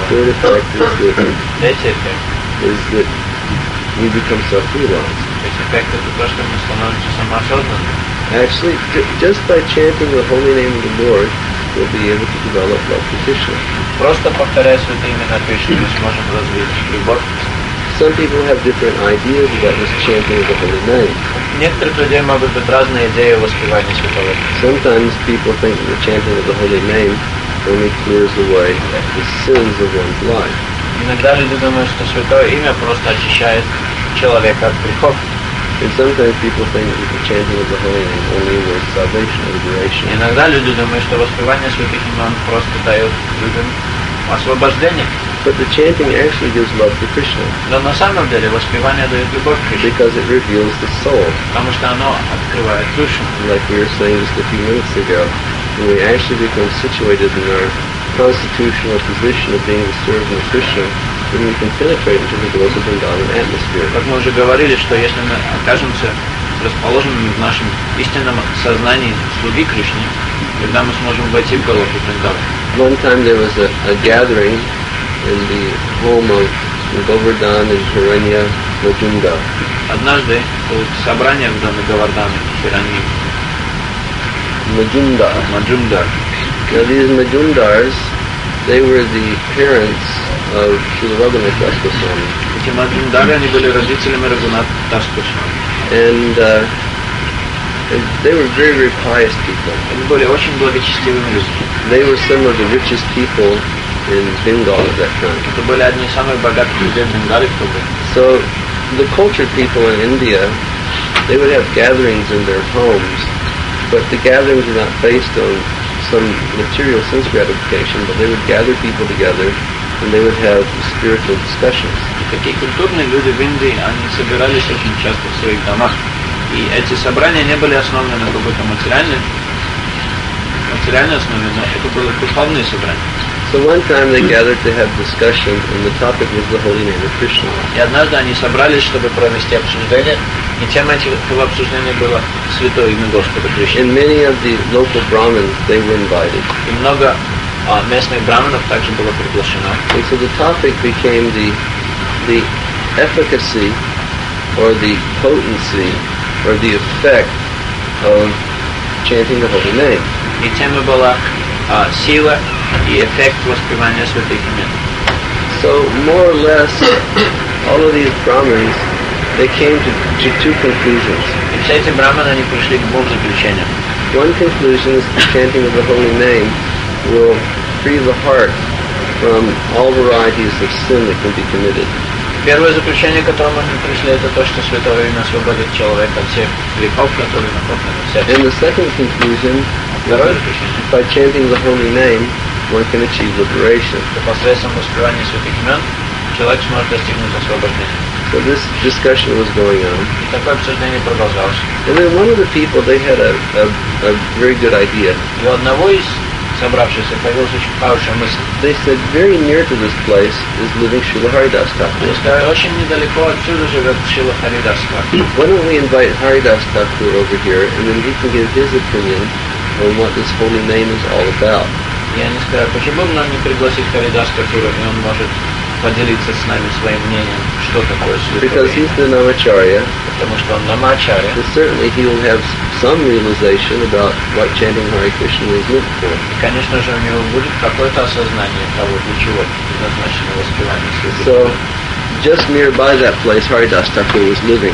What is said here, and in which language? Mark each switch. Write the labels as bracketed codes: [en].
[en] The third effect is that you become self-realized. Actually, just by chanting the holy name of the Lord, we'll be able to develop love for Krishna. [ru] Просто повторяя святые имена Кришны, мы сможем развить любовь. [en] Some people have different ideas about this chanting of the holy name. [ru] Некоторые люди могут быть разные идеи о воспевании святого. [en] Sometimes people think that the chanting of the holy name only clears away the sins of one's life. [ru] Иногда люди думают, что святое имя просто очищает человека от грехов. [en] And sometimes people think that the chanting of the holy name only awards salvation or liberation. [ru] Иногда люди думают, что воспевание святых имен просто дает людям освобождение. [en] But the chanting actually gives love to Krishna. [ru] Но на самом деле воспевание дает любовь к Кришне. [en] Because it reveals the soul. [ru] Потому что оно открывает душу. [en] Like we were saying just a few minutes ago, when we actually become situated in our constitutional position of being the servant of Krishna, then we can penetrate into the global Vrindavan atmosphere. [ru] Как мы уже говорили, что если мы окажемся расположенными в нашем истинном сознании слуги Кришны, тогда мы сможем войти в Голоку Вриндаван. [en] One time there was a gathering in the home of Govardhan and Hiranya Majumdar. [ru] Однажды было собрание в доме Говардана и Хираньи. Majumdar. [en] Now these Majumdars, they were the parents of Śrīla Raghunath Das Goswami. [ru] Эти Маджумдары, они были родителями Рагунатха Дас Госвами. [en] And they were very, very pious people. [ru] Они были очень благочестивыми людьми. [en] They were some of the richest people in Bengal at that time. [ru] Это были одни из самых богатых людей в Бенгале в то время. [en] So the cultured people in India, they would have gatherings in their homes, but the gatherings were not based on some material sense gratification, but they would gather people together and they would have spiritual discussions. [ru] Такие культурные люди в Индии, они собирались очень часто в своих домах. И эти собрания не были основаны на какой-то материальной основе, но это были духовные собрания. [en] So one time they gathered to have discussion and the topic was the holy name of Krishna. [ru] И однажды они собрались, чтобы провести обсуждение, и тема этого обсуждения была святое имя Господа Кришны. [en] And many of the local Brahmins, they were invited. [ru] И много местных Брахманов также было приглашено. [en] And so the topic became the efficacy or the potency or the effect of chanting the holy name. [ru] И тема была сила и эффект воспевания святых имен. [en] So more or less all of these Brahmins, they came to two conclusions. [ru] И все эти Брахманы, они пришли к двум заключениям. [en] One conclusion is the chanting of the holy name will free the heart from all varieties of sin that can be committed. [ru] Первое заключение, к которому они пришли, это то, что святое имя освободит человека от всех грехов, которые накоплены. [en] And the second conclusion, by chanting the holy name, one can achieve liberation. [ru] Посредством воспевания святых имен человек сможет достигнуть освобождения. [en] So this discussion was going on. [ru] И такое обсуждение продолжалось. [en] And then one of the people, they had a very good idea. [ru] И у одного из собравшихся появилась очень хорошая мысль. [en] They said, very near to this place is living Śrīla Haridas Thakur. [ru] Они сказали, очень недалеко отсюда живет Śrīla Haridas Thakur. [en] Why don't we invite Haridas Thakur over here, and then he can give his opinion on what this holy name is all about. [ru] И они сказали, почему бы нам не пригласить Харидас Такура, и он может поделиться с нами своим мнением, что такое святое имя. [en] Because he's the Namacharya. [ru] Потому что он Намачарья. [en] And certainly he will have some realization about what chanting Hare Krishna is meant for. [ru] И, конечно же, у него будет какое-то осознание того, для чего предназначено воспевание святое имя. [en] So, just nearby that place, Haridas Thakur was living.